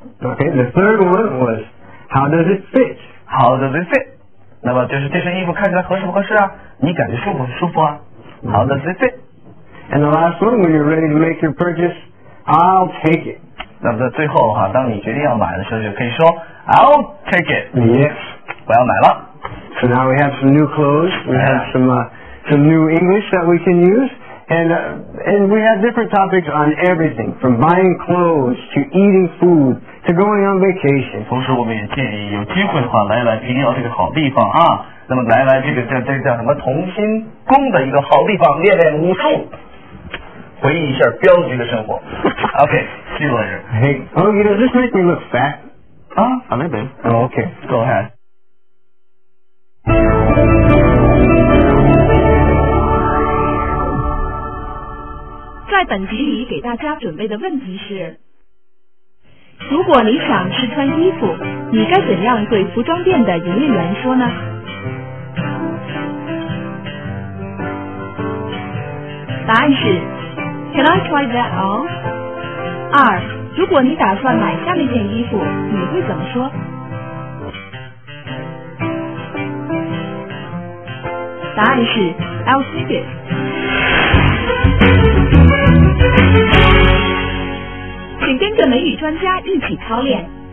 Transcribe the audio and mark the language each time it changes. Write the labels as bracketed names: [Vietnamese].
[English] Okay, the third one was, how does it fit? How does it fit? [Chinese] 那么就是这身衣服看起来合适不合适啊？你感觉舒服不舒服啊 ？ [English] How does it fit? And the last one, when you're ready to make your purchase, I'll take it. [Chinese] 那么在最后的话，当你决定要买的时候，就可以说 [English] I'll take it. Yes, [Chinese] 我要买了。 [English] So now we have some new clothes. We have some new English that we can use, And we have different topics on everything, from buying clothes to eating food to going on vacation. [Chinese] 同时我们也建议有机会的话来来平遥这个好地方啊，那么来来这个叫什么同心宫的一个好地方练练武术，回忆一下镖局的生活。 OK， 徐老师。 [English] Hey, oh, you know, this makes me look fat. Ah, a little bit. Oh, okay. Go ahead. [Chinese] 在本集里给大家准备的问题是，如果你想试穿衣服，你该怎样对服装店的营业员说呢？答案是 [English] Can I try that on? [Chinese] 二，如果你打算买下那件衣服，你会怎么说？答案是 [English] I'll take it。 [Chinese] 请跟着美语专家一起操练。